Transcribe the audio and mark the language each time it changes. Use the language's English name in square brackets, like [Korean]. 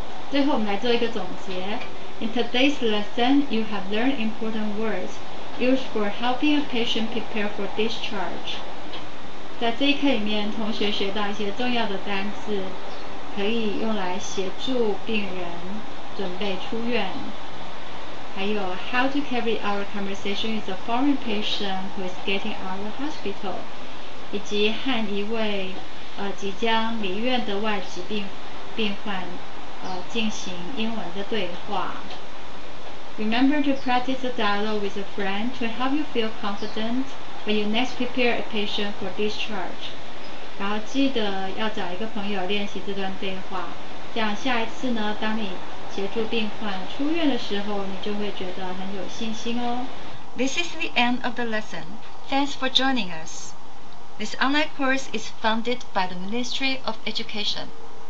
[Chinese] 最后我们来做一个总结 [English] ，In today's lesson, you have learned important words. Used for helping a patient prepare for discharge. [Chinese] 在这一课里面，同学学到一些重要的单字，可以用来协助病人准备出院。 [English] 还有 ，How to carry our conversation with a foreign patient who is getting out of the hospital， [Chinese] 以及和一位即将离院的外籍病患进行英文的对话。 [English] Remember to practice a dialogue with a friend to help you feel confident when you next prepare a patient for discharge. [Chinese] 然后记得要找一个朋友练习这段对话，这样下一次呢，当你协助病患出院的时候，你就会觉得很有信心哦。 [English] This is the end of the lesson. Thanks for joining us. This online course is funded by the Ministry of Education.